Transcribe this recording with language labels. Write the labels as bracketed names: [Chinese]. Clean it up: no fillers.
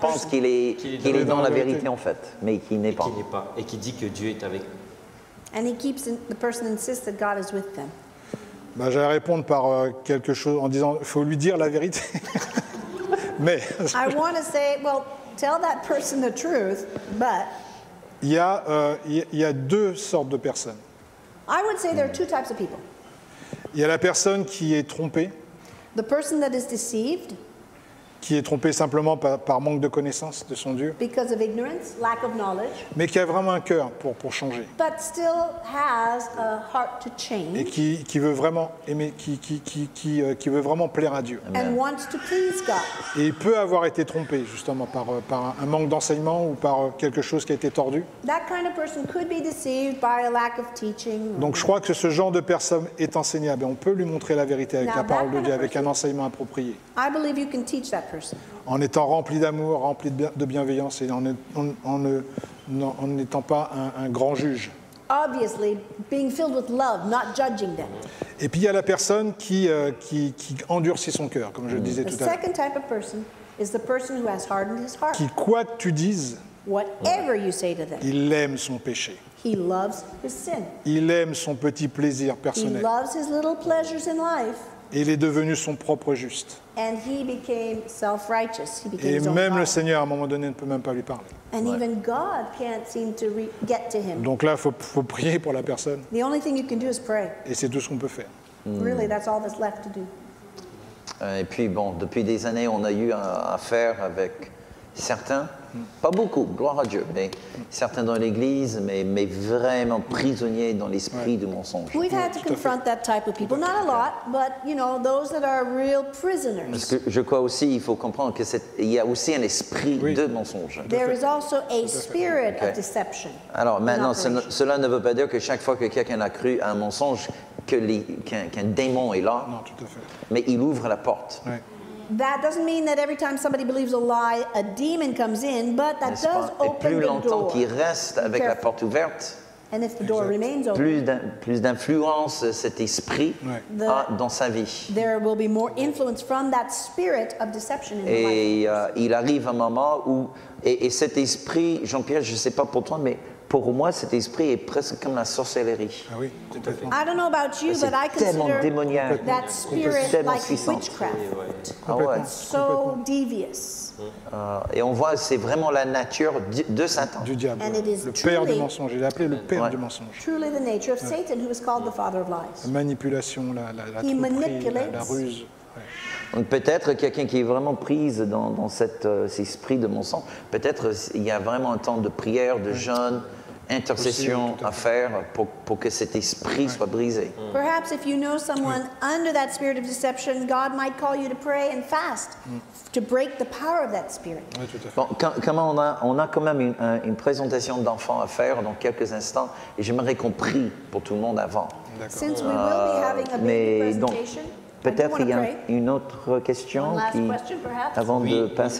[French] pense qu'il est dans la vérité en fait, mais qui n'est pas. Qui n'est pas et qui dit que Dieu est avec. [English] And he keeps in, the person insists that God is with them. [French] Bah, j'allais répondre par quelque chose en disant, faut lui dire la vérité. Mais. [English] I want to say, well, tell that person the truth, but. [French] Il y a deux sortes de personnes. [English] I would say there are two types of people. [French] Il y a la personne qui est trompée. [English] The person that is deceived. [French] Qui est trompée simplement par manque de connaissance de son Dieu. [English] Because of ignorance, lack of knowledge. [French] Mais qui a vraiment un cœur pour changer. [English] But still has a heart to change. [French] Et qui veut vraiment aimer, qui veut vraiment plaire à Dieu. [English] And wants to please God. [French] Et il peut avoir été trompé justement par un manque d'enseignement ou par quelque chose qui a été tordu. [English] That kind of person could be deceived by a lack of teaching. [French] Donc je crois que ce genre de personne est enseignable. On peut lui montrer la vérité avec [English] Now, [French] la parole de Dieu, [English] person, [French] avec un enseignement approprié. [English] I believe you can teach that. [French] En étant rempli d'amour, rempli de bienveillance et en n'étant pas un grand juge. [English] Obviously, being filled with love, not judging them. [French] Et puis il y a la personne qui endurcit son cœur, comme je le disais tout à l'heure. [English] The second type of person is the person who has hardened his heart. [French] Qui, quoi que tu dises, [English] whatever you say to them, [French] il aime son péché. [English] He loves his sin. [French] Il aime son petit plaisir personnel. [English] He loves his little pleasures in life. [French] Et il est devenu son propre juste. [English] And he became self-righteous. He became [French] et [English] his own [French] même [English] father. [French] Le Seigneur, à un moment donné, ne peut même pas lui parler. [English] And even God can't seem to get to him. [French] Donc là, il faut prier pour la personne. [English] The only thing you can do is pray. [French] Et c'est tout ce qu'on peut faire. [English] Really, that's all that's left to do. [French] Et puis, bon, depuis des années, on a eu affaire avec certains, pas beaucoup, gloire à Dieu, mais certains dans l'Église, mais vraiment prisonniers dans l'esprit du mensonge. [English] We've had to confront that type of people, not a lot, but you know, those that are real prisoners. [French] Parce que je crois aussi, il faut comprendre que il y a aussi un esprit de mensonge. [English] There is also a spirit of deception. [French] Alors maintenant, cela ne veut pas dire que chaque fois que quelqu'un a cru à un mensonge, qu'un démon est là. Non, tout à fait. Mais il ouvre la porte. Oui. [English] That doesn't mean that every time somebody believes a lie, a demon comes in, but that [French] N'est-ce [English] does [French] pas? [English] Open the door. [French] Et plus longtemps qu'il reste avec la porte ouverte, [English] and if the door remains open, [French] plus d'influence cet esprit a dans sa vie. [English] There will be more influence from that spirit of deception in the life. [French] Et il arrive un moment où, et cet esprit, Jean-Pierre, je ne sais pas pour toi, mais pour moi, cet esprit est presque comme la sorcellerie. Ah oui, tout à fait. [English] I don't know about you, but I consider that spirit like [French] puissant. [English] Witchcraft. [French] Oui, oui. Ah ouais. [English] So devious. [French] Et on voit, c'est vraiment la nature de Satan. Du diable. [English] And it is [French] le père du mensonge. Il est appelé le père du mensonge. [English] Truly the nature of Satan, who is called the father of lies. [French] La manipulation, la ruse. Donc peut-être quelqu'un qui est vraiment prise dans cet esprit de mensonge, peut-être il y a vraiment un temps de prière, de jeûne, intercession possible, à faire pour que cet esprit ouais. soit brisé. Mm. [English] Perhaps if you know someone mm. under that spirit of deception, God might call you to pray and fast mm. to break the power of that spirit. [French] Oui, tout à fait. Bon, comment on a quand même une présentation d'enfant à faire dans quelques instants, et j'aimerais qu'on prie pour tout le monde avant. [English] Since we will be having a baby presentation, donc, [French] peut-être qu'il y a une autre question qui, avant oui, de passer